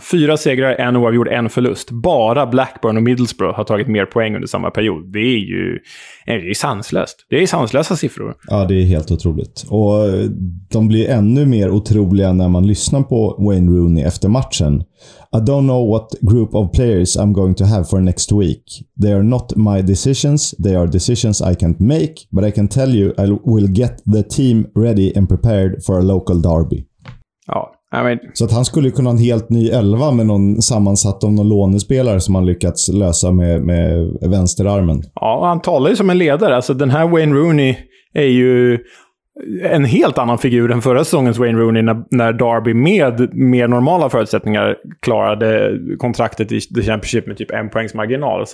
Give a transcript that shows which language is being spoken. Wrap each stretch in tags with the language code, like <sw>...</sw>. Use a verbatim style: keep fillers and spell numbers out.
<sv>Fyra segrar, en oavgjord, en förlust. Bara Blackburn och Middlesbrough har tagit mer poäng under samma period. Det är ju det är sanslöst. Det är sanslösa siffror. Ja, det är helt otroligt. Och de blir ännu mer otroliga när man lyssnar på Wayne Rooney efter matchen.</sv> <en>I don't know what group of players I'm going to have for next week. They are not my decisions. They are decisions I can't make. But I can tell you I will get the team ready and prepared for a local derby. Ja, I mean.</en> <sv>Så att han skulle kunna ha en helt ny elva med någon sammansatt av någon lånespelare som han lyckats lösa med, med vänsterarmen. Ja, han talar ju som en ledare. Alltså, den här Wayne Rooney är ju en helt annan figur än förra säsongens Wayne Rooney, när, när Derby med mer normala förutsättningar klarade kontraktet i The Championship med typ en poängs marginal.</sv>